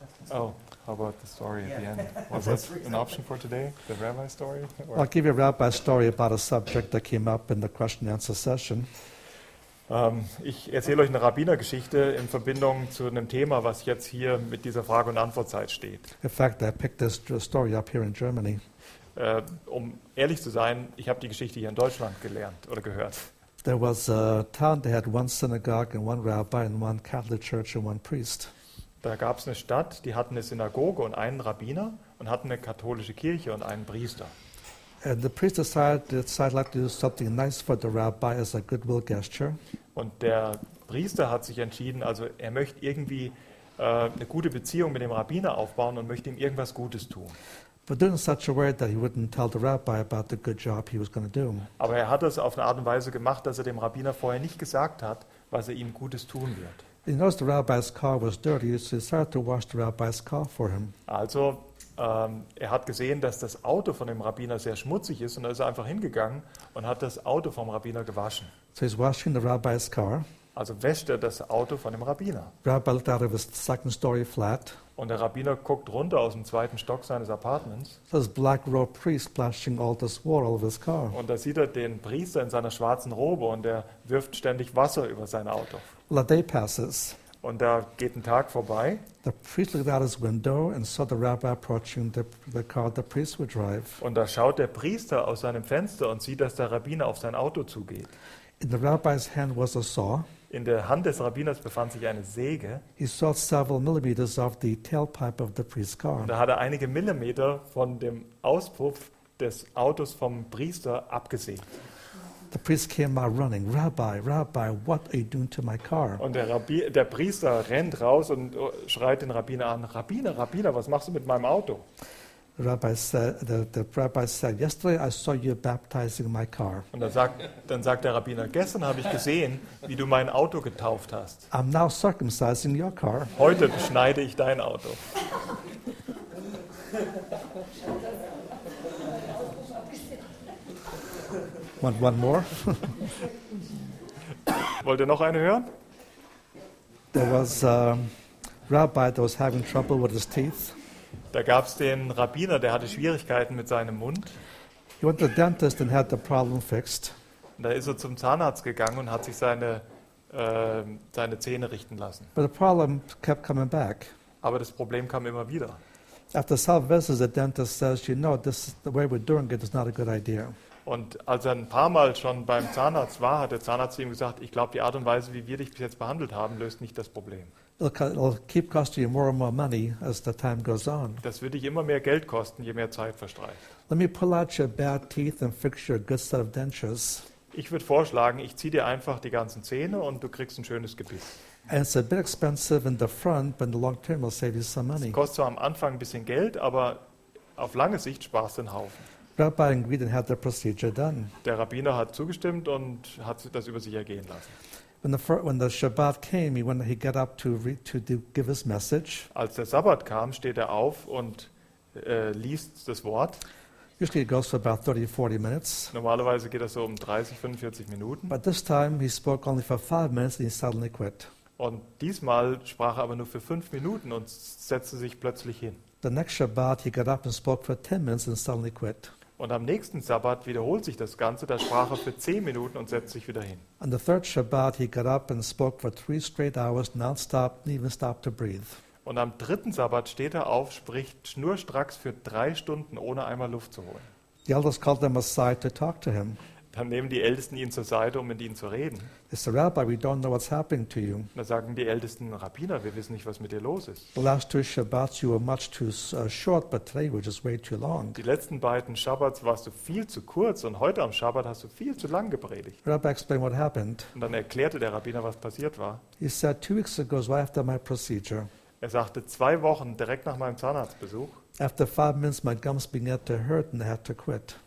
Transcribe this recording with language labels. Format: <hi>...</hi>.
<en>Oh, how about the story at the end? Was that an option for today, the rabbi story? Or? I'll give you a rabbi story about a subject that came up in the question and answer session.</en> <de>Ich erzähle euch eine Rabbinergeschichte in Verbindung zu einem Thema, was jetzt hier mit dieser Frage- und Antwortzeit steht.</de> <en>In fact, I picked this story up here in Germany.</en> <de>Um ehrlich zu sein, ich habe die Geschichte hier in Deutschland gelernt oder gehört.</de> <en>There was a town that had one synagogue and one rabbi and one Catholic church and one priest.</en> <de>Da gab es eine Stadt, die hatten eine Synagoge und einen Rabbiner und hatten eine katholische Kirche und einen Priester.</de> <en>And the priest decided like to do something nice for the rabbi as a goodwill gesture.</en> <de>Und der Priester hat sich entschieden, also er möchte irgendwie eine gute Beziehung mit dem Rabbiner aufbauen und möchte ihm irgendwas Gutes tun.</de> <en>But doing such a way that he wouldn't tell the rabbi about the good job he was going to do.</en> <de>Aber er hat es auf eine Art und Weise gemacht, dass er dem Rabbiner vorher nicht gesagt hat, was er ihm Gutes tun wird.</de> <en>He noticed the rabbi's car was dirty, so he started to wash the rabbi's car for him.</en> <de>Also, er hat gesehen, dass das Auto von dem Rabbiner sehr schmutzig ist, und da ist er einfach hingegangen und hat das Auto vom Rabbiner gewaschen.</de> <en>So he's washing the rabbi's car.</en> <de>Also wäscht er das Auto von dem Rabbiner.</de> <en>Rabbi looked out of his second story flat.</en> <de>Und der Rabbiner guckt runter aus dem zweiten Stock seines Apartments.</de> <en>This black robe priest splashing all this water over his car.</en> <de>Und da sieht er den Priester in seiner schwarzen Robe und er wirft ständig Wasser über sein Auto.</de> <en>Well, a day passes.</en> <de>Und da geht ein Tag vorbei.</de> <en>The priest looked out his window and saw the rabbi approaching the car the priest would drive.</en> <de>Und da schaut der Priester aus seinem Fenster und sieht, dass der Rabbiner auf sein Auto zugeht.</de> <en>In the rabbi's hand was a saw.</en> <de>In der Hand des Rabbiners befand sich eine Säge.</de> <en>He saw several millimeters of the tailpipe of the priest's car.</en> <de>Und da hat er einige Millimeter von dem Auspuff des Autos vom Priester abgesehen.</de> <en>The priest came out running. Rabbi, Rabbi, what are you doing to my car?</en> <de>Und der Priester rennt raus und schreit den Rabbiner an. Rabbiner, Rabbiner, was machst du mit meinem Auto?</de> <en>The rabbi said, yesterday I saw you baptizing my car.</en> <de>Und dann sagt der Rabbiner, gestern habe ich gesehen, wie du mein Auto getauft hast.</de> <en>I'm now circumcising your car.</en> <de>Heute beschneide ich dein Auto.</de> <en>Want one more?</en> <de>Wollt ihr noch eine hören?</de> <en>There was a rabbi that was having trouble with his teeth.</en> <de>Da gab es den Rabbiner, der hatte Schwierigkeiten mit seinem Mund.</de> <en>He went to the dentist and had the problem fixed.</en> <de>Da ist er zum Zahnarzt gegangen und hat sich seine Zähne richten lassen.</de> <en>But the problem kept coming back.</en> <de>Aber das Problem kam immer wieder.</de> <en>After several visits, the dentist says, you know, this the way we're doing it is not a good idea.</en> <de>Und als er ein paar Mal schon beim Zahnarzt war, hat der Zahnarzt zu ihm gesagt, ich glaube, die Art und Weise, wie wir dich bis jetzt behandelt haben, löst nicht das Problem.</de> <en>It'll keep costing you more and more money as the time goes on.</en> <de>Das wird dich immer mehr Geld kosten, je mehr Zeit verstreicht.</de> <en>Let me pull out your bad teeth and fix your good set of dentures.</en> <de>Ich würde vorschlagen, ich ziehe dir einfach die ganzen Zähne und du kriegst ein schönes Gebiss.</de> <en>And it's a bit expensive in the front, but in the long term it'll save you some money.</en> <de>Es kostet zwar am Anfang ein bisschen Geld, aber auf lange Sicht sparst du einen Haufen.</de> <en>Rabbi agreed and had the procedure done.</en> <de>Der Rabbiner hat zugestimmt und hat das über sich ergehen lassen.</de> <en>When the Shabbat came, he got up to give his message.</en> <de>Als der Sabbat kam, steht er auf und liest das Wort.</de> <en>Usually it goes for about 30-40 minutes.</en> <de>Normalerweise geht das so um 30-45 Minuten.</de> <en>But this time he spoke only for 5 minutes and he suddenly quit.</en> <de>Und diesmal sprach er aber nur für 5 Minuten und setzte sich plötzlich hin.</de> <en>The next Shabbat he got up and spoke for 10 minutes and suddenly quit.</en> <de>Und am nächsten Sabbat wiederholt sich das Ganze, da sprach er für 10 Minuten und setzt sich wieder hin.</de> <en>On the third Shabbat he got up and spoke for 3 straight hours non-stop, didn't even stop to breathe.</en> <de>Und am dritten Sabbat steht er auf, spricht schnurstracks für 3 Stunden, ohne einmal Luft zu holen.</de> <en>The elders called him aside to talk to him.</en> <de>Dann nehmen die Ältesten ihn zur Seite, um mit ihm zu reden.</de> <en>It's the rabbi, we don't know what's happening to you.</en> <de>Da sagen die Ältesten, Rabbiner, wir wissen nicht, was mit dir los ist.</de> <en>The last two Shabbats you were much too short, but today you were just way too long.</en> <de>Die letzten beiden Shabbats warst du viel zu kurz und heute am Shabbat hast du viel zu lang gepredigt.</de> <en>Rabbi explained what happened.</en> <de>Und dann erklärte der Rabbiner, was passiert war.</de> <en>He said, 2 weeks ago, right after my procedure.</en> <de>Er sagte, 2 Wochen direkt nach meinem Zahnarztbesuch.</de> <en>After 5 minutes, my gums began to hurt and I had to quit.</en>